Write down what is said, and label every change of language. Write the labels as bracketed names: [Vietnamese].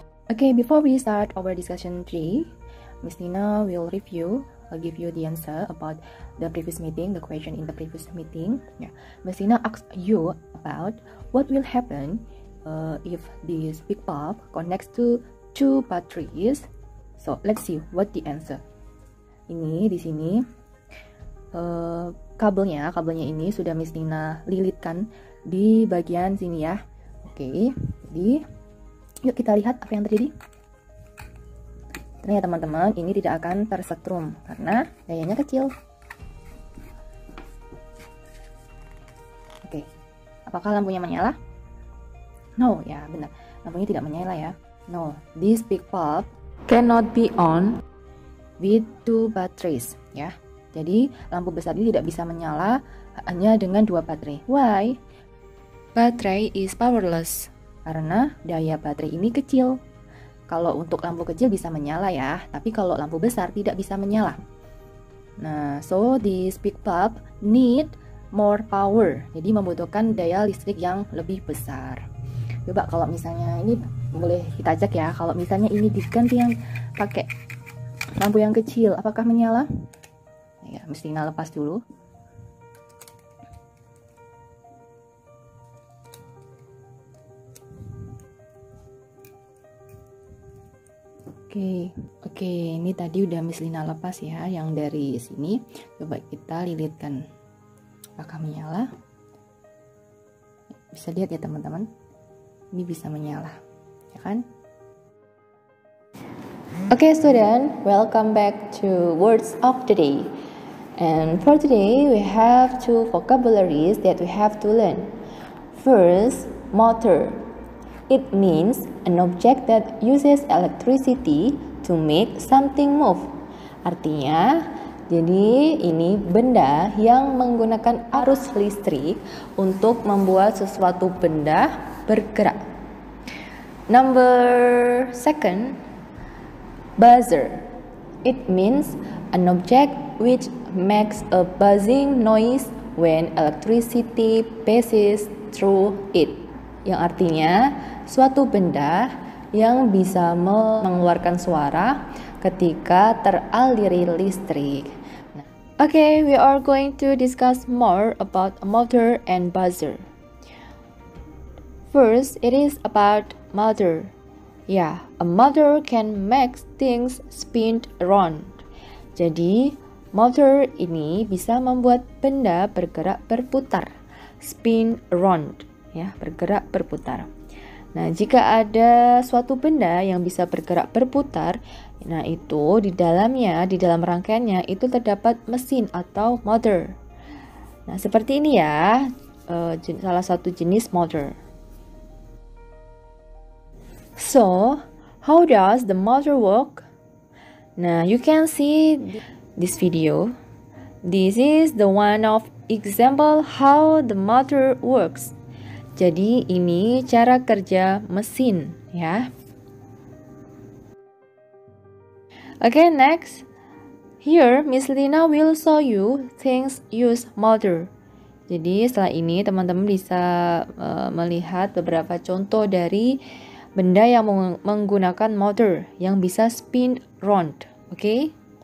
[English] Okay, before we start our discussion 3, Miss Nina will review, I'll give you the answer about the previous meeting, the question in the previous meeting. Yeah. Miss Nina asks you about what will happen if this big bulb connects to two batteries. So, let's see what the answer. [Indonesian] Ini di sini kabelnya ini sudah Miss Nina lilitkan di bagian sini ya. Oke, jadi yuk kita lihat apa yang terjadi. Ternyata teman-teman ini tidak akan tersetrum karena dayanya kecil. Oke, apakah lampunya menyala? No, ya benar, lampunya tidak menyala ya. [English] No, this big bulb cannot be on with two batteries, ya. [Indonesian] Jadi lampu besar ini tidak bisa menyala hanya dengan dua baterai. [English] Why? Baterai is powerless. [Indonesian] Karena daya baterai ini kecil. Kalau untuk lampu kecil bisa menyala ya, tapi kalau lampu besar tidak bisa menyala. [English] Nah, so this big bulb need more power. [Indonesian] Jadi membutuhkan daya listrik yang lebih besar. Coba kalau misalnya ini boleh kita cek ya. Kalau misalnya ini diganti yang pakai lampu yang kecil, apakah menyala? Ya, mesti Nina lepas dulu. Oke, ini tadi udah Miss Nina lepas ya, yang dari sini. Coba kita lilitkan, apakah menyala? Bisa lihat ya teman-teman, ini bisa menyala, ya kan? [English] Okay, student, welcome back to Words of the Day. And for today, we have two vocabularies that we have to learn. First, motor. It means an object that uses electricity to make something move. [Indonesian] Artinya, jadi ini benda yang menggunakan arus listrik untuk membuat sesuatu benda bergerak. [English] Number second, buzzer. It means an object which makes a buzzing noise when electricity passes through it. [Indonesian] Yang artinya suatu benda yang bisa mengeluarkan suara ketika teraliri listrik. [English] Okay, we are going to discuss more about motor and buzzer. First, it is about motor. Yeah, a motor can make things spin around. [Indonesian] Jadi, motor ini bisa membuat benda bergerak berputar. [English] Spin around, [Indonesian] ya, bergerak berputar. Nah, jika ada suatu benda yang bisa bergerak berputar, nah itu di dalamnya, di dalam rangkaiannya itu terdapat mesin atau motor. Nah, seperti ini ya, salah satu jenis motor. [English] So, how does the motor work? Now, you can see this video. This is the one of example how the motor works. [Indonesian] Jadi, ini cara kerja mesin, ya. [English] Okay, next. Here, Miss Lina will show you things use motor. [Indonesian] Jadi, setelah ini teman-teman bisa melihat beberapa contoh dari benda yang menggunakan motor yang bisa [English] spin round, [Indonesian] oke?